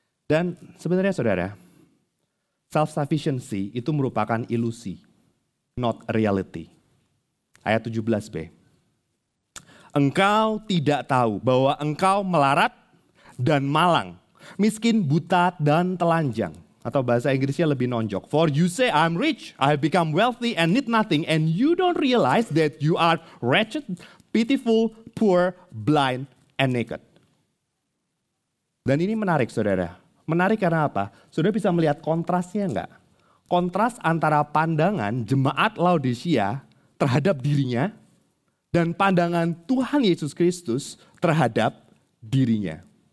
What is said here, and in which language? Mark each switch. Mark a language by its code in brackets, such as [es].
[id] Dan sebenarnya saudara, self-sufficiency itu merupakan ilusi, [en] not reality. [id] Ayat 17b. Engkau tidak tahu bahwa engkau melarat dan malang, miskin, buta, dan telanjang. Atau bahasa Inggrisnya lebih nonjok. [en] For you say, I'm rich, I have become wealthy and need nothing, and you don't realize that you are wretched, pitiful, poor, blind, and naked. [id] Dan ini menarik, saudara. Menarik karena apa? Saudara bisa melihat kontrasnya enggak? Kontras antara pandangan jemaat Laodicea terhadap dirinya dan pandangan Tuhan Yesus Kristus terhadap dirinya.